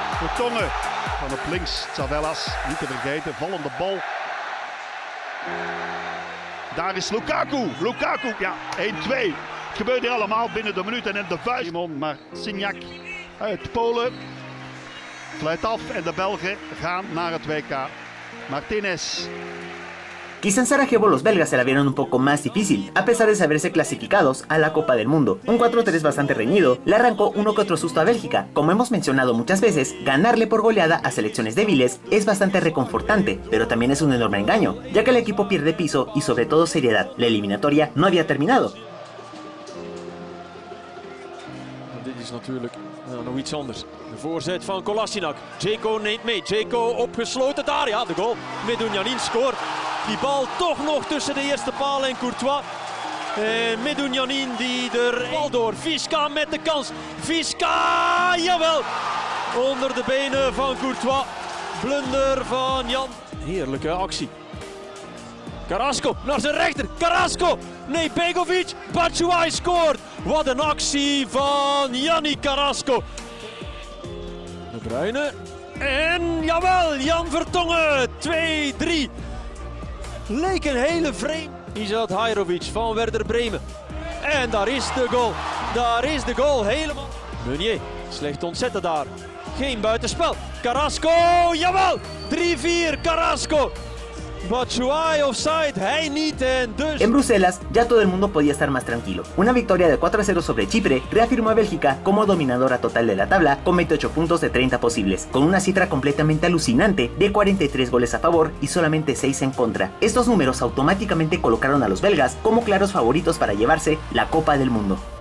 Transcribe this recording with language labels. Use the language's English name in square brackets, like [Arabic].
[Dutch] Vertonghen van op links. Tzavelas, niet te vergeten. Vallende bal. Daar is Lukaku. Lukaku, ja, 1-2. Het gebeurt hier allemaal binnen de minuut. En de vuist. Simon, maar Signac uit Polen. Fluit af en de Belgen gaan naar het WK. Martinez. [Spanish] Quizá en Sarajevo los belgas se la vieron un poco más difícil, a pesar de saberse clasificados a la Copa del Mundo. Un 4-3 bastante reñido le arrancó uno que otro susto a Bélgica. Como hemos mencionado muchas veces, ganarle por goleada a selecciones débiles es bastante reconfortante, pero también es un enorme engaño, ya que el equipo pierde piso y sobre todo seriedad. La eliminatoria no había terminado. [Dutch] Dit is natuurlijk nog iets anders. De voorzet van Kolasinac. Dzeko neemt mee. Dzeko opgesloten daar. Ja, de goal. Medunjanin scoort. Die bal toch nog tussen de eerste paal en Courtois. En Medunjanin die er bal door. Visca met de kans. Visca, jawel. Onder de benen van Courtois. Blunder van Jan. Heerlijke actie. Carrasco naar zijn rechter. Carrasco. Nee, Begovic. Batshuayi scoort. Wat een actie van Jani Carrasco. De Bruyne. En jawel, Jan Vertonghen. 2-3. Leek een hele vreemde. Izad Hajrovic van Werder Bremen. En daar is de goal. Daar is de goal helemaal. Meunier, slecht ontzetten daar. Geen buitenspel. Carrasco, jawel. 3-4, Carrasco. Batshuayi offside, hij niet en dus. [Spanish] En Bruselas, ya todo el mundo podía estar más tranquilo. Una victoria de 4-0 sobre Chipre reafirmó a Bélgica como dominadora total de la tabla con 28 puntos de 30 posibles, con una cifra completamente alucinante de 43 goles a favor y solamente 6 en contra. Estos números automáticamente colocaron a los belgas como claros favoritos para llevarse la Copa del Mundo.